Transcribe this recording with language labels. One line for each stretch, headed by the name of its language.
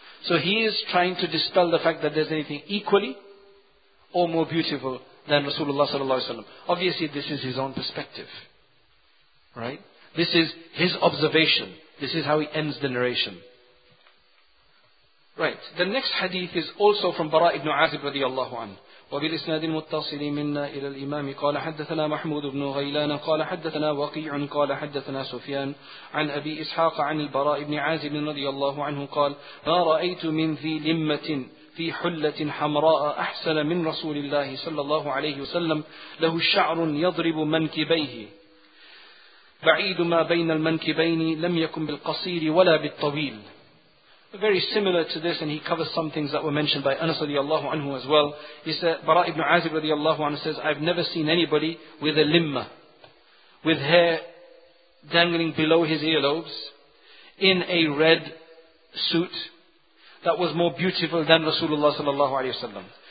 English: So he is trying to dispel the fact that there's anything equally or more beautiful than Rasulullah sallallahu alaihi wasallam. Obviously, this is his own perspective. Right? This is his observation. This is how he ends the narration. Right. The next hadith is also from Bara ibn Azib radiyallahu anhu.
Arabic: وَبِلْ إِسْنَادِ الْمُتَّصِلِ مِنَّا إِلَى الْإِمَامِ قَالَ حَدَّثَنَا مَحْمُودُ بْنُ غَيْلَانَ قَالَ حَدَّثَنَا وَقِيعٌ قَالَ حَدَّثَنَا سُفْيَانَ عَنْ أَبِي إِسْحَاقَ عَنِ الْبَرَاءِ ابْنِ عَازِبٍ رَضِيَ اللَّهُ عَنْهُ قَالَ مَا رَأَيْتُ مِنْ ذِي لِمَّةٍ في حلة حمراء أحسن من رسول الله صلى الله عليه وسلم له شعر يضرب منكبيه بعيد ما بين المنكبين لم يكن بالقصير ولا بالطويل.
English: Very similar to this, and he covers some things that were mentioned by Anas radiallahu anhu as well. He said, Bara ibn Azib radiallahu anhu says, I've never seen anybody with a limma, with hair dangling below his earlobes, in a red suit, that was more beautiful than Rasulullah sallallahu alaihi wasallam.